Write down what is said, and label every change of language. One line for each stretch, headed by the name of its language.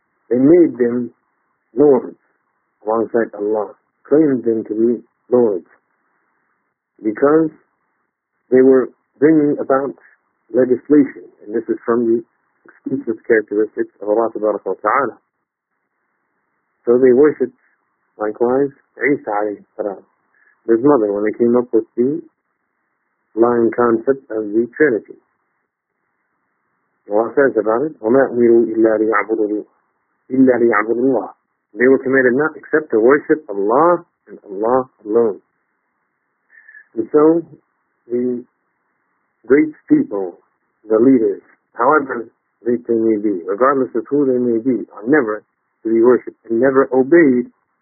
English: They made them lords alongside Allah, claimed them to be lords, because they were bringing about legislation. And this is from the exclusive characteristics of Allah subhanahu wa ta'ala. So they worshipped, likewise, Isa alayhi salam, his mother, when they came up with the lying concept of the Trinity. Allah says about it,
Arabic: وَمَا أُمِرُوا إِلَّا لِيَعْبُدُوا اللَّهِ إِلَّا لِيَعْبُدُوا اللَّهِ.
English: They were commanded not except to worship Allah and Allah alone. And so, the great people, the leaders, however great they may be, regardless of who they may be, are never to be worshipped and never obeyed.